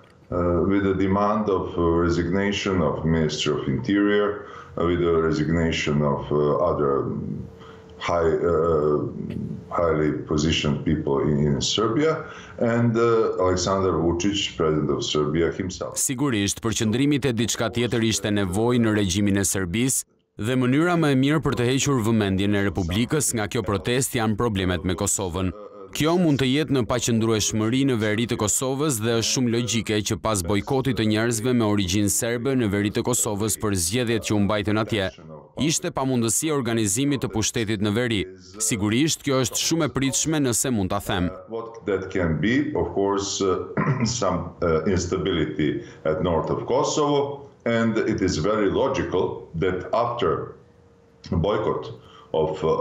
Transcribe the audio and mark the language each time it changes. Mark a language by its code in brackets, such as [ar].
[en] With the demand of resignation of Minister of Interior, with the resignation of other highly positioned people in Serbia, and Aleksandar Vučić, President of Serbia himself. [sq] Sigurisht, përqendrimit e diçka tjetër ishte nevojë në regjimin e Serbisë, dhe mënyra më e mirë për të hequr vëmendjen e Republikës nga kjo protest janë problemet me Kosovën. Kjo mund të jetë në paqëndrueshmëri në veri të Kosovës dhe është shumë logjike që pas bojkotit të njerëzve me origjinë serbe në veri të Kosovës për zgjedhjet që u mbajtën atje, ishte pamundësi e organizimit të pushtetit në veri. Sigurisht, kjo është shumë e pritshme nëse mund ta them. [en] What that can be, of course, some instability at north of Kosovo, and it is very logical that after boycott of